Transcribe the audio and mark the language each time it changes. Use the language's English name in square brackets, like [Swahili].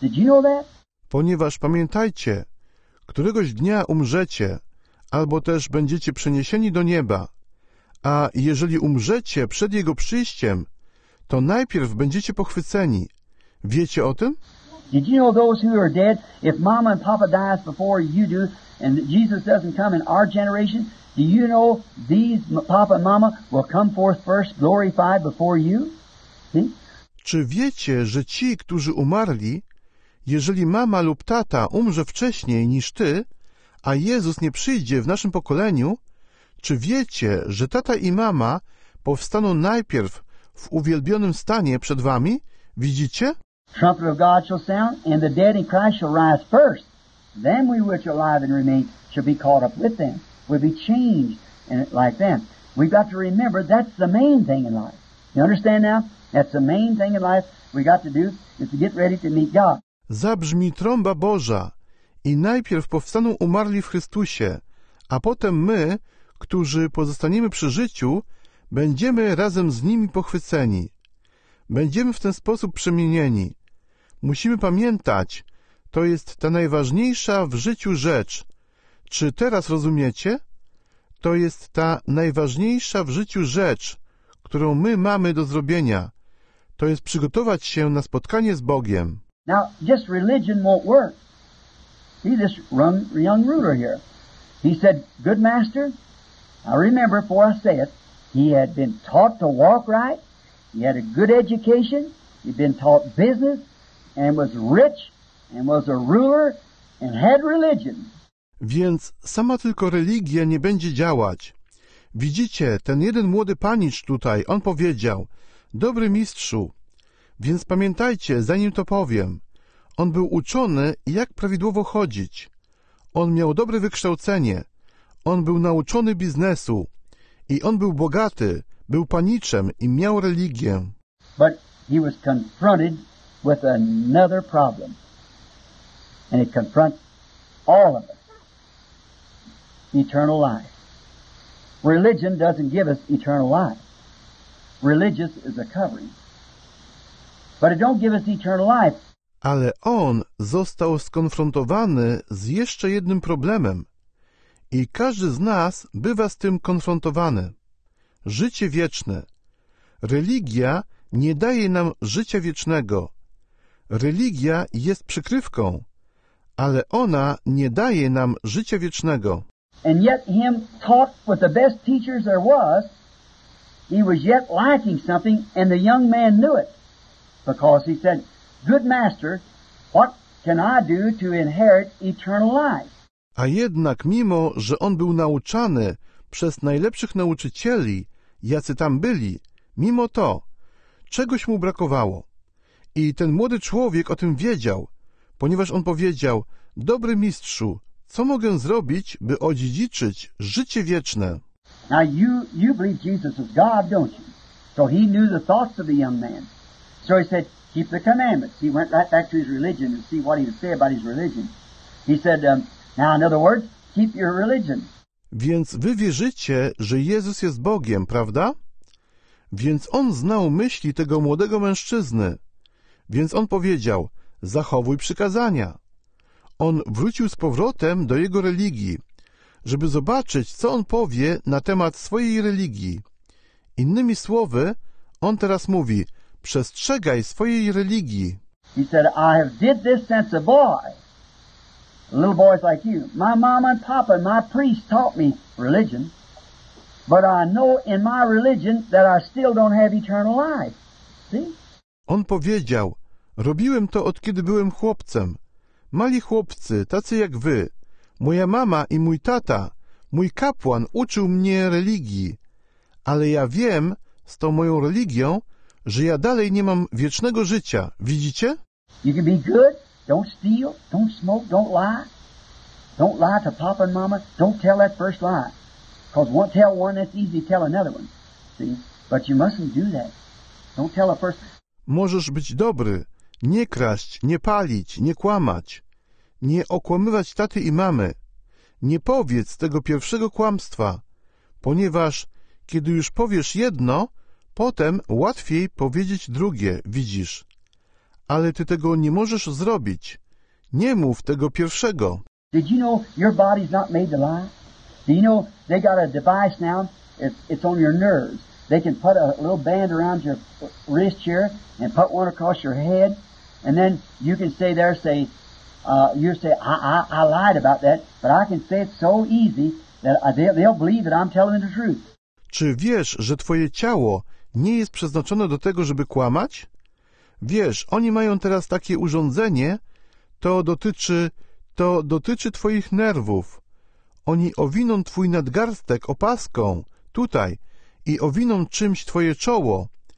[English] Did you know that? [Polish] Ponieważ pamiętajcie, któregoś dnia umrzecie, albo też będziecie przeniesieni do nieba, a jeżeli umrzecie przed jego przyjściem, to najpierw będziecie pochwyceni. Wiecie o tym? [English] Did you know those who are dead, if mama and papa dies before you do, and Jesus doesn't come in our generation, do you know these papa and mama will come forth first glorified before you? See? [Polish] Czy wiecie, że ci, którzy umarli, jeżeli mama lub tata umrze wcześniej niż ty, a Jezus nie przyjdzie w naszym pokoleniu, czy wiecie, że tata i mama powstaną najpierw w uwielbionym stanie przed wami? Widzicie? [English] Trumpet of God shall sound, and the dead in Christ shall rise first. Then we which are alive and remain shall be caught up with them. We'll be changed like them. We've got to remember that's the main thing in life. You understand now? That's the main thing in life we got to do is to get ready to meet God. [Polish] Zabrzmi trąba Boża i najpierw powstaną umarli w Chrystusie, a potem my, którzy pozostaniemy przy życiu, będziemy razem z nimi pochwyceni. Będziemy w ten sposób przemienieni. Musimy pamiętać, to jest ta najważniejsza w życiu rzecz. Czy teraz rozumiecie? To jest ta najważniejsza w życiu rzecz, którą my mamy do zrobienia. To jest przygotować się na spotkanie z Bogiem. [English] Now, just religion won't work. See this young ruler here. He said, good master, I remember before I say it, he had been taught to walk right, he had a good education, he'd been taught business, and was rich, and was a ruler, and had religion. [Polish] Więc sama tylko religia nie będzie działać. Widzicie, ten jeden młody panicz tutaj, on powiedział, dobry mistrzu, więc pamiętajcie, zanim to powiem, on był uczony, jak prawidłowo chodzić. On miał dobre wykształcenie. On był nauczony biznesu. I on był bogaty, był paniczem i miał religię. [English] But he was confronted with another problem. And it confronts all of us. Eternal life. Religion doesn't give us eternal life. Religious is a covering. But it don't give us eternal life. [Polish] Ale on został skonfrontowany z jeszcze jednym problemem. I każdy z nas bywa z tym konfrontowany. Życie wieczne. Religia nie daje nam życia wiecznego. Religia jest przykrywką, ale ona nie daje nam życia wiecznego. [English] And yet him taught with the best teachers there was, he was yet lacking something, and the young man knew it. Because he said, good master, what can I do to inherit eternal life? [Polish] A jednak mimo, że on był nauczany przez najlepszych nauczycieli, jacy tam byli, mimo to, czegoś mu brakowało. I ten młody człowiek o tym wiedział, ponieważ on powiedział, dobry mistrzu, co mogę zrobić, by odziedziczyć życie wieczne? [English] Now you believe Jesus is God, don't you? So he knew the thoughts of the young man. So he said, keep the commandments. He went right back to his religion to see what he would say about his religion. He said, now in other words, keep your religion. [Polish] Więc wy wierzycie, że Jezus jest Bogiem, prawda? Więc on znał myśli tego młodego mężczyzny. Więc on powiedział, zachowuj przykazania. On wrócił z powrotem do jego religii, żeby zobaczyć, co on powie na temat swojej religii. Innymi słowy, on teraz mówi, przestrzegaj swojej religii. [English] He said, I have did this since a boy. Little boys like you. My mama and papa and my priest taught me religion. But I know in my religion that I still don't have eternal life. See? [Polish] On powiedział, robiłem to od kiedy byłem chłopcem. Mali chłopcy, tacy jak wy, moja mama i mój tata, mój kapłan uczył mnie religii. Ale ja wiem, z tą moją religią, że ja dalej nie mam wiecznego życia. Widzicie? [English] You can be good, Don't steal. Don't smoke. Don't lie. Don't lie to Papa and Mama. Don't tell that first lie. Because once tell one, it's easy to tell another one. See? But you mustn't do that. Don't tell the first. [Polish] Możesz być dobry. Nie kraść, nie palić, nie kłamać. Nie okłamywać taty i mamy. Nie powiedz tego pierwszego kłamstwa. Ponieważ kiedy już powiesz jedno, potem łatwiej powiedzieć drugie, widzisz. Ale ty tego nie możesz zrobić. Nie mów tego pierwszego. [English] Did you know your body's not made to lie? Do you know they got a device now? It's on your nerves. They can put a little band around your wrist here and put one across your head, and then you can say there, say, you say, I lied about that, but I can say it so easy that they'll believe that I'm telling the truth. [Polish] Czy wiesz, że twoje ciało nie jest przeznaczone do tego, żeby kłamać? Wiesz, oni mają teraz takie urządzenie, to dotyczy twoich nerwów. Oni owiną twój nadgarstek opaską, tutaj, i owiną czymś twoje czoło.